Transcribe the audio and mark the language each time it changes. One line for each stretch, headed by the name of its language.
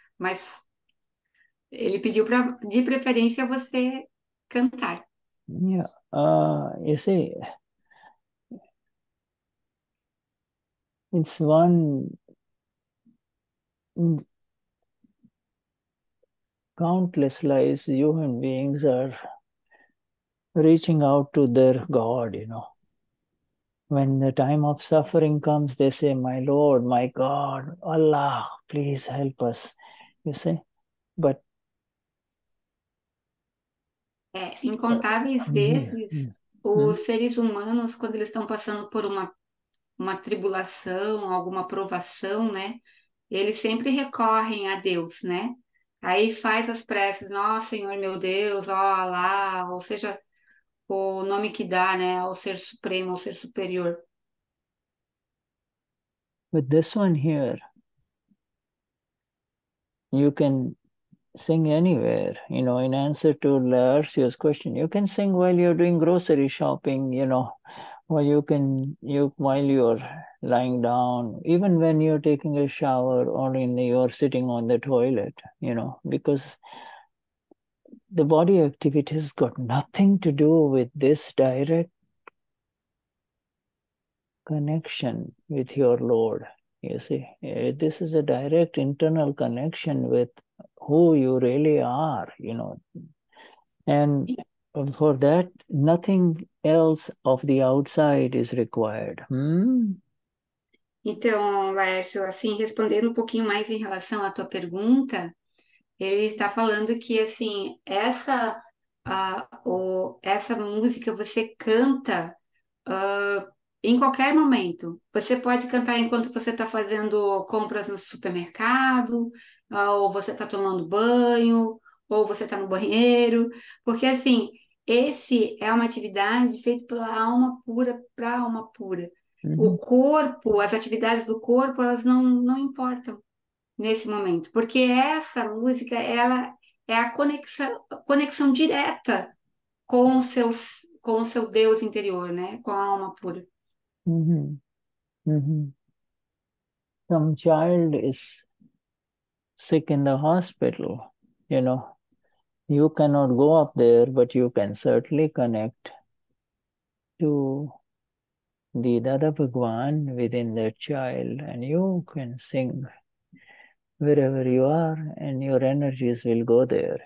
Portuguese: Mas ele pediu para, de preferência, você cantar.
English: You see, it's one in countless lives, human beings are reaching out to their God, you know. When the time of suffering comes, they say, "My Lord, my God, Allah, please help us." You see, but
Portuguese: É, incontáveis vezes, os seres humanos, quando eles estão passando por uma tribulação, alguma provação, né? Eles sempre recorrem a Deus, né? Aí faz as preces, ó Senhor meu Deus, ó Alá, ou seja, o nome que dá, né? Ao ser supremo, ao ser superior.
English: With this one here, you can sing anywhere, you know, in answer to Laertius' question. You can sing while you're doing grocery shopping, you know, or you can you while you're lying down, even when you're taking a shower or in you're sitting on the toilet, you know, because the body activity has got nothing to do with this direct connection with your Lord. You see, this is a direct internal connection with who you really are, you know. And for that, nothing else of the outside is required.
Portuguese: Então, Laércio, assim, respondendo um pouquinho mais em relação à tua pergunta, ele está falando que, assim, essa música você canta em qualquer momento. Você pode cantar enquanto você está fazendo compras no supermercado, ou você está tomando banho, ou você está no banheiro, porque, assim, esse é uma atividade feita pela alma pura para alma pura. O corpo, as atividades do corpo, elas não importam nesse momento, porque essa música, ela é a conexão direta com o seu Deus interior, né? Com a alma pura.
English: Some child is sick in the hospital, you know. You cannot go up there, but you can certainly connect to the Dada Bhagwan within that child, and you can sing wherever you are, and your energies will go there.